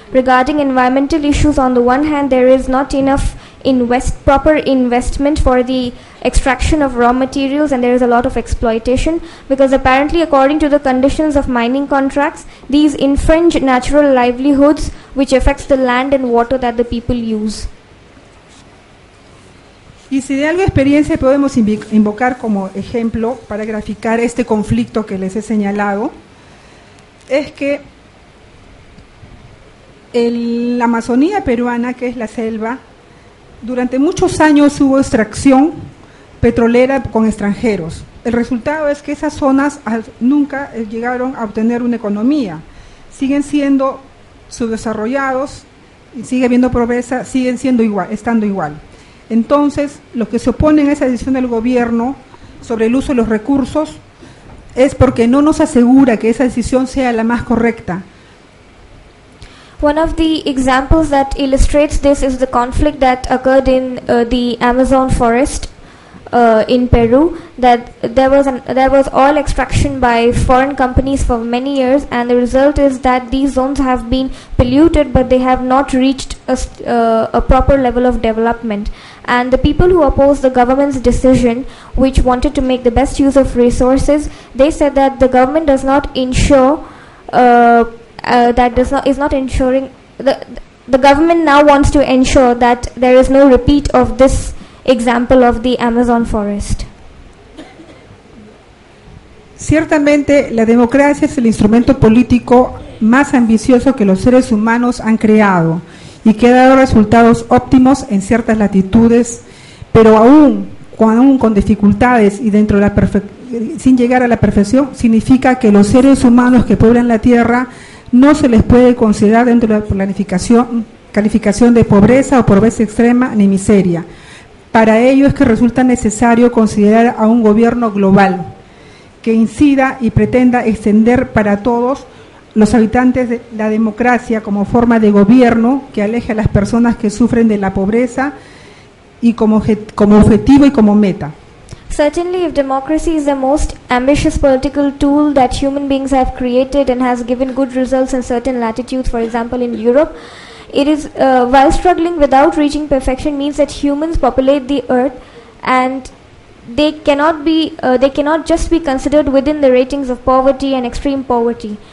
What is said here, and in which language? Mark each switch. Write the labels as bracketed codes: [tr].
[en] Regarding environmental issues, on the one hand, there is not enough proper investment for the extraction of raw materials, and there is a lot of exploitation, because apparently, according to the conditions of mining contracts, these infringe natural livelihoods, which affects the land and water that the people use. [es] Y si de algo experiencia podemos invocar como ejemplo para graficar este conflicto que les he señalado, es que la Amazonía peruana, que es la selva, durante muchos años hubo extracción petrolera con extranjeros. El resultado es que esas zonas nunca llegaron a obtener una economía. Siguen siendo subdesarrollados, sigue habiendo pobreza, siguen siendo igual, estando igual. Entonces, los que se oponen a esa decisión del gobierno sobre el uso de los recursos es porque no nos asegura que esa decisión sea la más correcta. [en] One of the examples that illustrates this is the conflict that occurred in the Amazon forest in Peru, that there was oil extraction by foreign companies for many years, and the result is that these zones have been polluted, but they have not reached a proper level of development. And the people who opposed the government's decision, which wanted to make the best use of resources, they said that the government does not ensure the government now wants to ensure that there is no repeat of this example of the Amazon forest. [es] Ciertamente, la democracia es el instrumento político más ambicioso que los seres humanos han creado y que ha dado resultados óptimos en ciertas latitudes, pero aún con dificultades y dentro de la sin llegar a la perfección, significa que los seres humanos que pueblan la tierra no se les puede considerar dentro de la calificación de pobreza o pobreza extrema ni miseria. Para ello es que resulta necesario considerar a un gobierno global que incida y pretenda extender para todos los habitantes de la democracia como forma de gobierno que aleje a las personas que sufren de la pobreza y como objetivo y como meta. [en] Certainly, if democracy is the most ambitious political tool that human beings have created and has given good results in certain latitudes, for example in Europe, it is while struggling without reaching perfection means that humans populate the earth, and they cannot just be considered within the ratings of poverty and extreme poverty.